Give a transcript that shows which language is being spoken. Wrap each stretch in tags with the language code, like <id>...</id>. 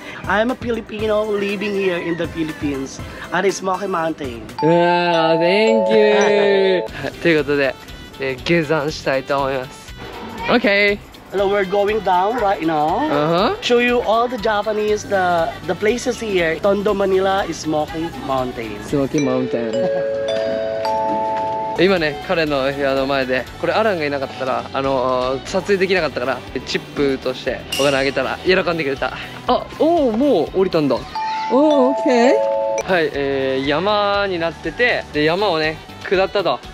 <en>I'm a Filipino living here in the Philippines at a Smoky Mountain. Yeah, thank you.</en> <ja>ということで、下山したいと思います。</ja> <en>Okay. So we're going down right now. Uh-huh. Show you all the Japanese, the places here. Tondo, Manila is Smoky Mountain. Smoky Mountain.</en> <ja>今ね、彼の部屋の前で、これアランがいなかったら、撮影できなかったから、チップとしてお金あげたら喜んでくれた。あ、おー、もう降りたんだ。おー、OK。はい、山になってて、で、山をね、下ったと。</ja>